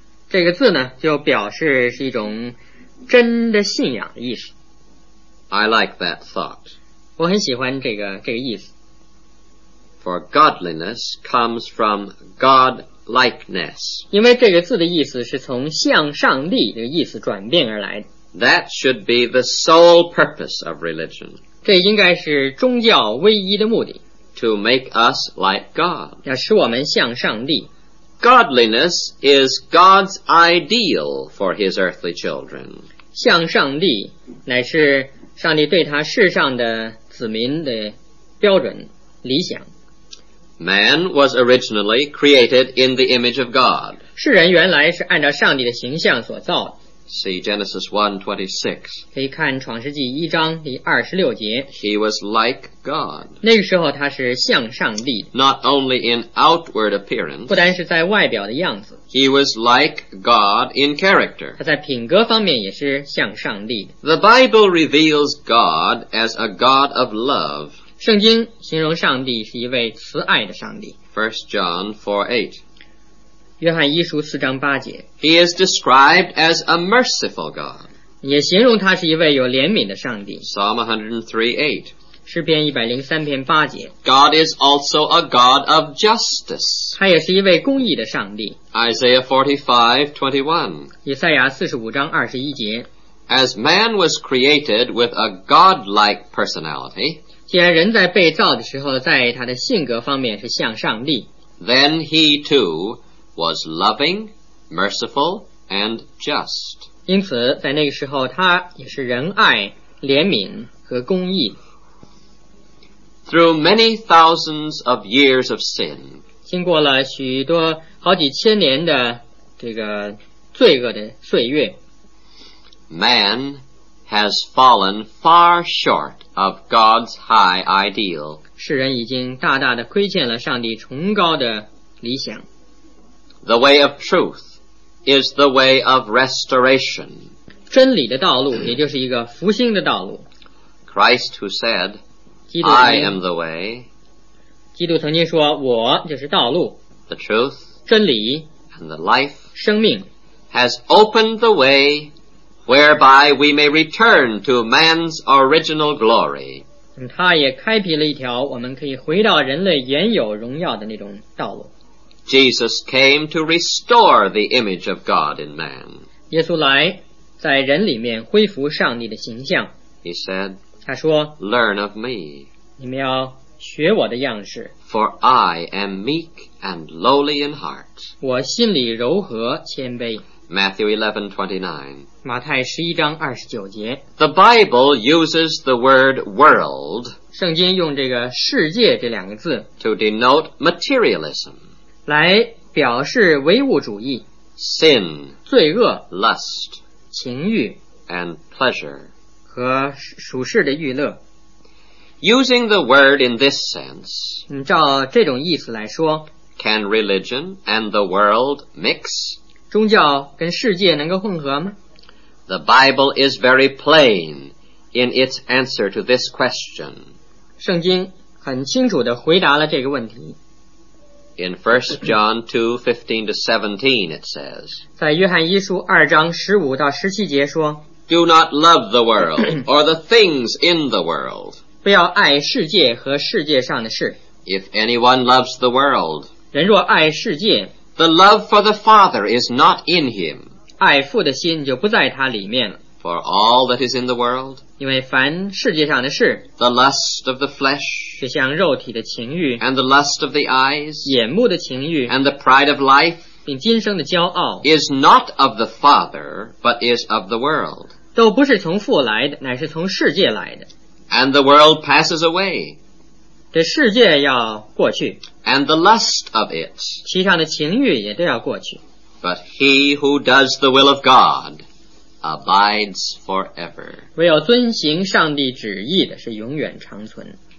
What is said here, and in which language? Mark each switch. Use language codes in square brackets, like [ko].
[zh] 这个字呢，就表示是一种真的信仰的意思。 [en] I like that thought. [zh] 我很喜欢这个意思。 [en] For godliness comes from God-likeness. [zh] 因为这个字的意思是从向上帝这个意思转变而来的。 [en] That should be the sole purpose of religion. [zh] 这应该是宗教唯一的目的。 [en] To make us like God. [zh] 要使我们像上帝。 [en] Godliness is God's ideal for his earthly children. [zh] 像上帝乃是上帝对他世上的子民的标准理想。 [en] Man was originally created in the image of God. [zh] 世人原来是按照上帝的形象所造的。 [en] See Genesis 1:26. [zh] 可以看创世纪一章第26节。 [en] He was like God. [zh] 那个时候他是像上帝的。 [en] Not only in outward appearance. [zh] 不单是在外表的样子。 [en] He was like God in character. [zh] 他在品格方面也是像上帝的。 [en] The Bible reveals God as a God of love. [zh] 圣经形容上帝是一位慈爱的上帝。 [en] 1 John 4:8. [zh] 约翰一书四章八节。 [en] He is described as a merciful God. [zh] 也形容他是一位有怜悯的上帝。 [en] Psalm 103:8. [zh] 诗篇103:8. [en] God is also a God of justice. [zh] 他也是一位公义的上帝。 [en] Isaiah 45:21. [zh] 以赛亚45:21. [en] As man was created with a God-like personality. [zh] 既然人在被造的时候在他的性格方面是像上帝。 [en] Then he too,was loving, merciful, and just. [zh] 因此在那个时候他也是仁爱、怜悯和公义。 [en] Through many thousands of years of sin, [zh] 经过了许多好几千年的这个罪恶的岁月， [en] man has fallen far short of God's high ideal. [zh] 世人已经大大的亏欠了上帝崇高的理想。 [en] The way of truth is the way of restoration. [zh] 真理的道路也就是一个复兴的道路。 [en] Christ who said, I am the way. [zh] 基督曾经说我就是道路。 [en] The truth, [zh] 真理 [en] and the life, [zh] 生命 [en] has opened the way whereby we may return to man's original glory. [zh] 他也开辟了一条我们可以回到人类原有荣耀的那种道路。 [en] Jesus came to restore the image of God in man. [zh] 耶稣来在人里面恢复上帝的形象。 [en] He said, [zh] 他说, [en] Learn of me. [zh] 你们要学我的样式。 [en] For I am meek and lowly in heart. [zh] 我心里柔和谦卑。 [en] Matthew 11:29. [zh] 马太十一章二十九节。 [en] The Bible uses the word world. [zh] 圣经用这个世界这两个字 [en] to denote materialism. [zh] 来表示唯物主义。 [en] Sin. [zh] 罪恶。 [en] Lust. [zh] 情欲。 [en] And pleasure. [zh] 和属世的娱乐。 [en] Using the word in this sense, [zh] 照这种意思来说， [en] Can religion and the world mix? [zh] 宗教跟世界能够混合吗？ [en] The Bible is very plain in its answer to this question. [zh] 圣经很清楚地回答了这个问题。 [en] In 1 John 2:15-17 it says, [zh] 在约翰一书二章十五到十七节说， [en] Do not love the world or the things in the world. [zh] 不要爱世界和世界上的事。 [en] If anyone loves the world, [zh] 人若爱世界， [en] the love for the Father is not in him. [zh] 爱父的心就不在他里面了。 [en] For all that is in the world, [zh] 因为凡世界上的事， [en] the lust of the flesh, [zh] 就像肉体的情欲， [en] and the lust of the eyes, [zh] 眼目的情欲， [en] and the pride of life, [zh] 并今生的骄傲， [en] is not of the Father, but is of the world. [zh] 都不是从父来的，乃是从世界来的。 [en] And the world passes away. [zh] 这世界要过去。 [en] And the lust of it. [zh] 其上的情欲也都要过去。 [en] But he who does the will of God abides forever. [zh] 唯有遵行上帝旨意的是永远长存。